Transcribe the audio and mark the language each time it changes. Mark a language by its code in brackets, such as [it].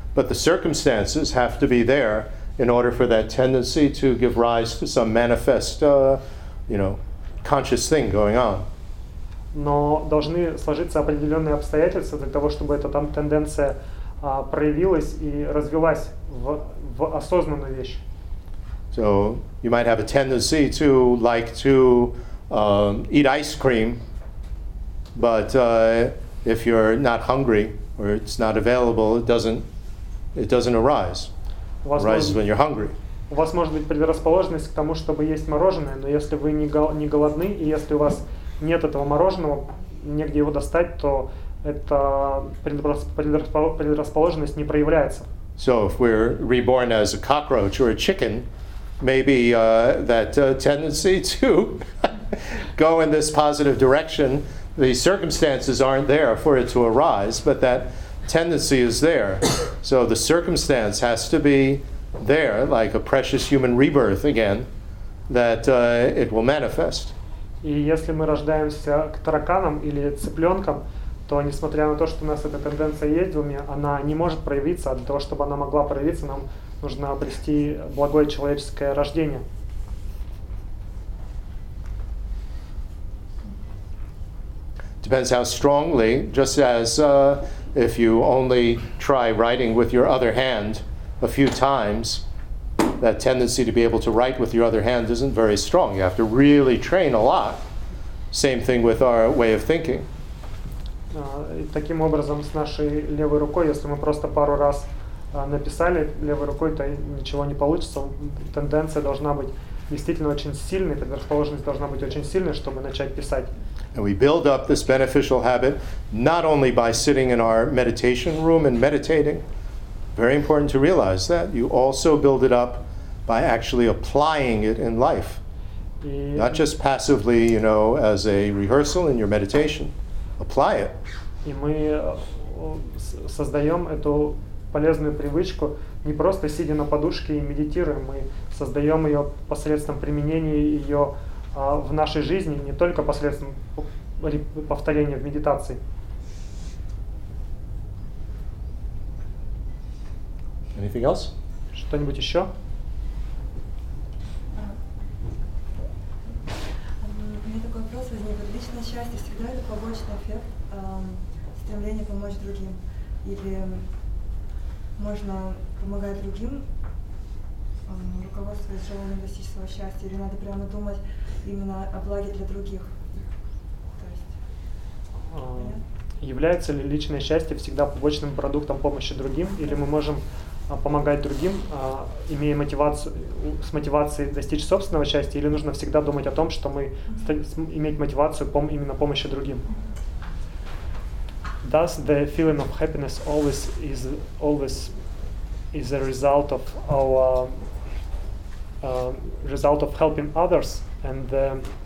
[en] But the circumstances have to be there in order for that tendency to give rise to some manifest you know, conscious thing going on. [ru] Но должны сложиться определенные обстоятельства для того, чтобы эта там тенденция проявилась и развилась в осознанную вещь. [en] So you might have a tendency to like to eat ice cream, but if you're not hungry or it's not available, it doesn't arise. It arises when you're hungry. [ru] У вас может быть предрасположенность к тому, чтобы есть мороженое, но если вы не голодны, и если у вас нет этого мороженого, негде его достать, то эта предрасположенность не проявляется. [en] So if we're reborn as a cockroach or a chicken, maybe that tendency to go in this positive direction, the circumstances aren't there for it to arise, but that tendency is there. So the circumstance has to be there, like a precious human rebirth again, that it will manifest. [ru] И если мы рождаемся к тараканам или цыпленкам, то несмотря на то, что у нас эта тенденция есть в уме, она не может проявиться, а для того, чтобы она могла проявиться, нам нужно обрести благое человеческое рождение. [en] Depends how strongly, just as if you only try writing with your other hand a few times, that tendency to be able to write with your other hand isn't very strong. You have to really train a lot. Same thing with our way of thinking. [ru] Таким образом, с нашей левой рукой, если мы просто пару раз написали левой рукой, то ничего не получится. Тенденция должна быть действительно очень сильной, предрасположенность должна быть очень сильной, чтобы начать писать. [en] And we build up this beneficial habit not only by sitting in our meditation room and meditating. Very important to realize that you also build it up by actually applying it in life, not just passively, you know, as a rehearsal in your meditation. Apply it. [ru] И мы создаем эту полезную привычку не просто сидя на подушке и медитируем, мы создаем ее посредством применения ее в нашей жизни, не только посредством повторения в медитации. [en] Anything else? [ru] Что-нибудь еще? У меня такой вопрос возникает. Личное счастье всегда это побочный эффект стремления помочь другим? Или можно помогать другим, руководствуясь желанием достичь своего счастья? Или надо прямо думать именно о благе для других? То есть, является ли личное счастье всегда побочным продуктом помощи другим? Или мы можем помогать другим, имея мотивацию, с мотивацией достичь собственного счастья, или нужно всегда думать о том, что мы иметь мотивацию именно помощи другим? [en] Does the feeling of happiness always is a result of our result of helping others and the